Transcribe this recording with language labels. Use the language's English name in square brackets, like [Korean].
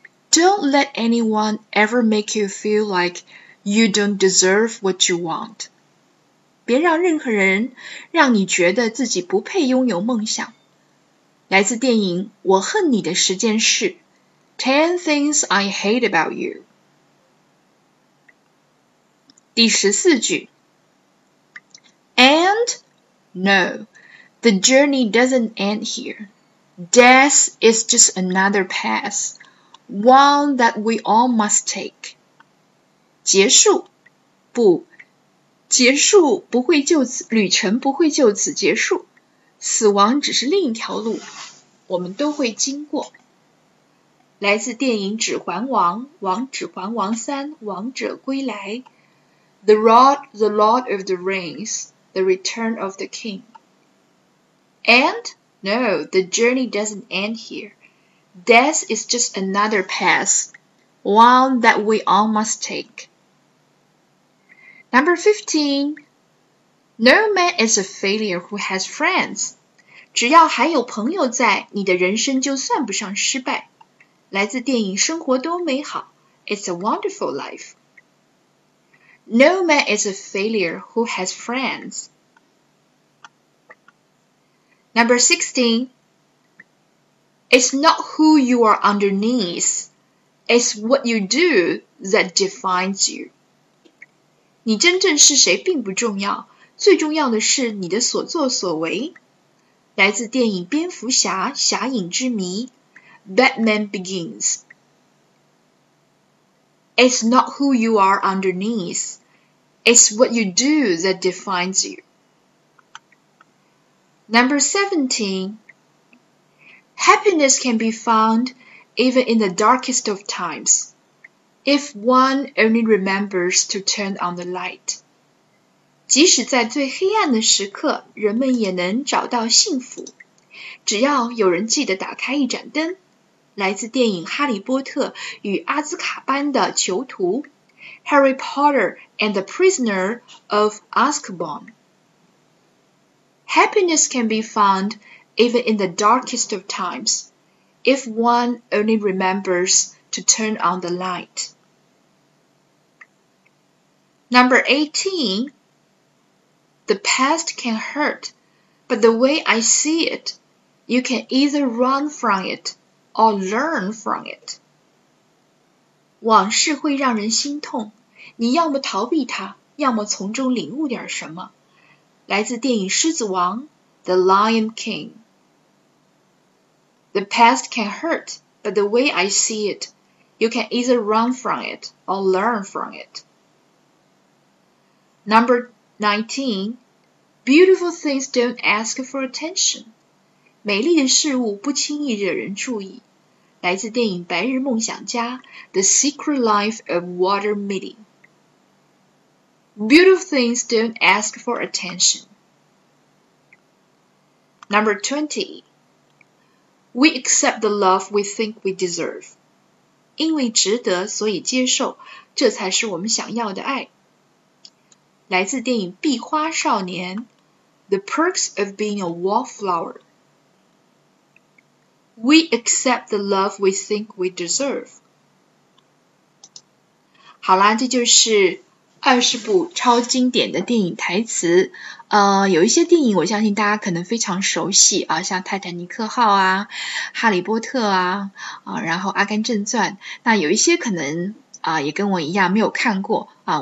[English] Don't let anyone ever make you feel like you don't deserve what you want. [Chinese] 别让任何人让你觉得自己不配拥有梦想。来自电影《我恨你的十件事》 [English] Ten Things I Hate About You. [Chinese] 第十四句。 [English] And no, the journey doesn't end here. Death is just another path. One that we all must take. [Chinese] 结束，不，结束不会就此，旅程不会就此结束。死亡只是另一条路，我们都会经过。来自电影《指环王》《指环王三》《王者归来》 [English] The Lord, the Lord of the Rings, The Return of the King. And, no, the journey doesn't end here. Death is just another path, one that we all must take. Number 15, no man is a failure who has friends. [Chinese] 只要还有朋友在，你的人生就算不上失败。来自电影《生活多美好》 [English] It's a wonderful life. No man is a failure who has friends. [Chinese] Number 16,It's not who you are underneath, it's what you do that defines you. 你真正是谁并不重要，最重要的是你的所作所为。来自电影《蝙蝠侠：侠影之谜》，Batman Begins。 [English] It's not who you are underneath, it's what you do that defines you. Number 17. Happiness can be found even in the darkest of times, if one only remembers to turn on the light. [Chinese] 即使在最黑暗的时刻，人们也能找到幸福，只要有人记得打开一盏灯。来自电影《哈利波特与阿兹卡班的囚徒》 [English] Harry Potter and the Prisoner of Azkaban. Happiness can be found even in the darkest of times, if one only remembers to turn on the light. Number 18. The past can hurt, but the way I see it, you can either run from itor learn from it. [Chinese] 往事会让人心痛，你要么逃避它，要么从中领悟点什么。来自电影《狮子王》 [English] The Lion King. The past can hurt, but the way I see it, you can either run from it or learn from it. Number 19. Beautiful things don't ask for attention. [Chinese] 美丽的事物不轻易惹人注意。来自电影《白日梦想家》 [English] The Secret Life of Walter Mitty. Beautiful things don't ask for attention. Number 20. We accept the love we think we deserve. [Chinese] 因为值得，所以接受，这才是我们想要的爱。来自电影《壁花少年》 [English] The Perks of Being a Wallflower. We accept the love we think we deserve. [Chinese] 好啦，这就是20部超经典的电影台词。有一些电影我相信大家可能非常熟悉啊，像《泰坦尼克号》啊，《哈利波特》啊，然后《阿甘正传》。那有一些可能也跟我一样没有看过啊。